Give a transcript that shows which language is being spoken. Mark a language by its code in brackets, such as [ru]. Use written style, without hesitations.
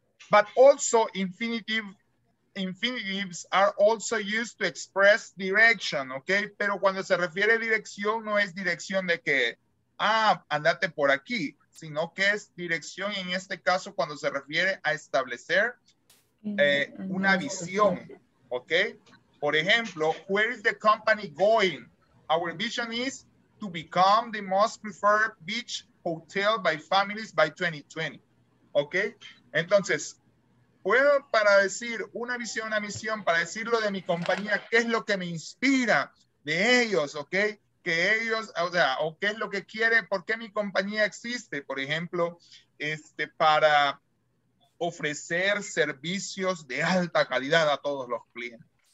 [en] But also infinitives are also used to express direction, okay? [es] Pero cuando se refiere a dirección, no es dirección de que, andate por aquí, sino que es dirección, en este caso, cuando se refiere a establecer una visión, okay? Por ejemplo, [en] where is the company going? Our vision is to become the most preferred beach hotel by families by 2020, okay? [es] Entonces, puedo para decir una visión, una misión, para decirlo de mi compañía, qué es lo que me inspira de ellos, ¿ok? Que ellos, o sea, o qué es lo que quiere, por qué mi compañía existe, por ejemplo, para ofrecer servicios de alta calidad a todos los clientes.